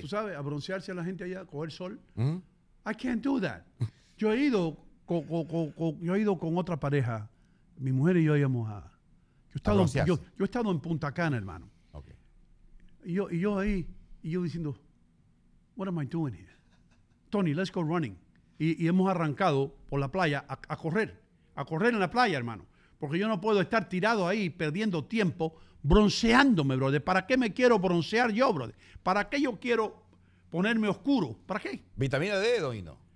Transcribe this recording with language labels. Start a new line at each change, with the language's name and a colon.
Spanish: ¿Tú sabes? A broncearse a la gente ahí a coger sol. Mm-hmm.
English: I can't do that.
Spanish: Yo he ido con otra pareja, mi mujer y yo íbamos a... Yo he estado en Punta Cana, hermano.
English: Okay.
Spanish: Y yo diciendo,
English: what am I doing here? Tony, let's go running.
Spanish: Y hemos arrancado por la playa a correr en la playa, hermano. Porque yo no puedo estar tirado ahí perdiendo tiempo bronceándome, brother. ¿Para qué me quiero broncear yo, brother? ¿Para qué yo quiero ponerme oscuro? ¿Para qué? ¿Vitamina D, Doino?